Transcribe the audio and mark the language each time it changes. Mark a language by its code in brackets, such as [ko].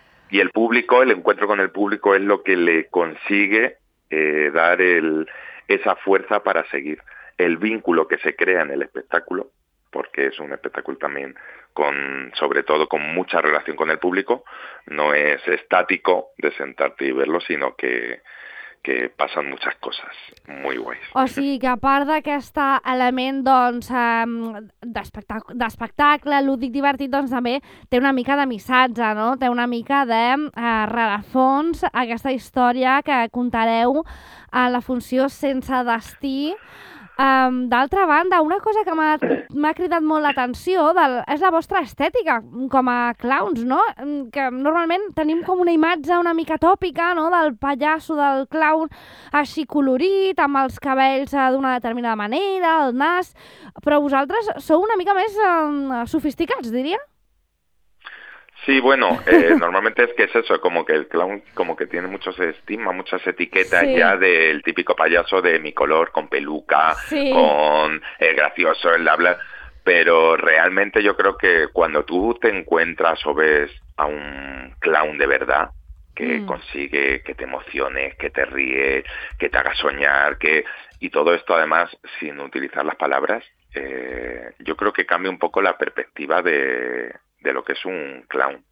[es] Y el público, el encuentro con el público es lo que le consigue dar esa fuerza para seguir. El vínculo que se crea en el espectáculo, porque es un espectáculo también sobre todo con mucha relación con el público, no es estático de sentarte y verlo, sino que pasan muchas cosas muy guays. [ca] O sigui que a part d'aquest element doncs, d'espectacle, lúdic, divertit, doncs també té una mica de missatge, no? Té una mica de rerefons aquesta història que contareu a la funció Sense Destí. D'altra banda, una cosa que m'ha cridat molt l'atenció és la vostra estètica com a clowns, no? Que normalment tenim com una imatge una mica tòpica, no? Del pallasso, del clown així colorit, amb els cabells d'una determinada manera, el nas... Però vosaltres sou una mica més sofisticats, diria? [es] Sí, bueno, normalmente es que es eso, como que el clown como que tiene muchos estigmas, muchas etiquetas, sí. Ya del típico payaso de mi color, con peluca, sí. Con el gracioso, el habla, pero realmente yo creo que cuando tú te encuentras o ves a un clown de verdad, que consigue que te emociones, que te ríes, que te haga soñar, que y todo esto además sin utilizar las palabras, yo creo que cambia un poco la perspectiva de lo que es un clown.